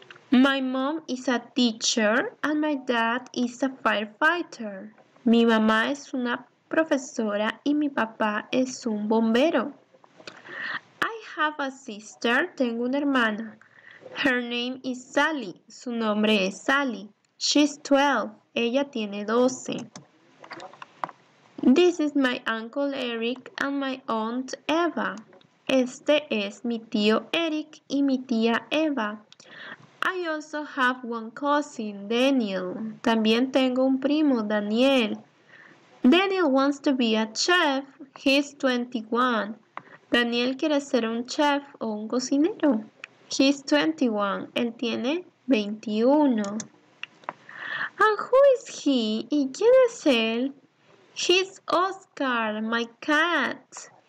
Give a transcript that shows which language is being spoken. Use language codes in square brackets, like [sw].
[en] My mom is a teacher and my dad is a firefighter. [es] Mi mamá es una profesora y mi papá es un bombero. [en] I have a sister. [es] Tengo una hermana. [en] Her name is Sally. [es] Su nombre es Sally. [en] She's 12. [es] Ella tiene 12. [en] This is my uncle Eric and my aunt Eva. [es] Este es mi tío Eric y mi tía Eva. [en] I also have one cousin, Daniel. [es] También tengo un primo, [en] Daniel. Daniel wants to be a chef. He's 21. [es] Daniel quiere ser un chef o un cocinero. [en] He's 21. [es] Él tiene 21. [en] And who is he? [es] ¿Y quién es él? [en] He's Oscar, my cat.